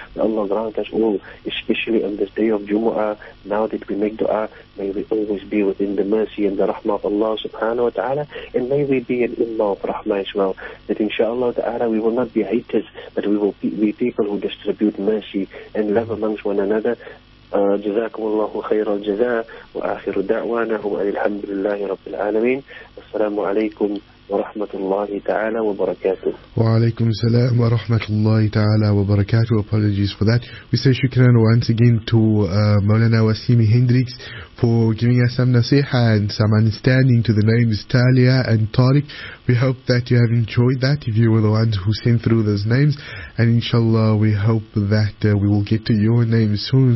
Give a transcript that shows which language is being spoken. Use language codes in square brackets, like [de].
[en] May Allah grant us all, especially on this day of Jumu'ah, now that we make dua, may we always be within the mercy and the rahmah of Allah subhanahu wa ta'ala, and may we be an ummah of rahmah as well, that inshallah ta'ala we will not be haters, but we will be people who distribute mercy and love amongst one another. [ar] جزاكم الله خير الجزاء وآخر دعوانا أن الحمد لله رب العالمين. السلام عليكم ورحمة الله تعالى وبركاته. وعليكم السلام ورحمة الله تعالى وبركاته. [en] Apologies for that. We say shukran once again to Maulana Wasimi Hendrix for giving us some nasiha and some understanding to the names Talia and Tariq. We hope that you have enjoyed that, if you were the ones who sent through those names. And inshallah, we hope that we will get to your name soon.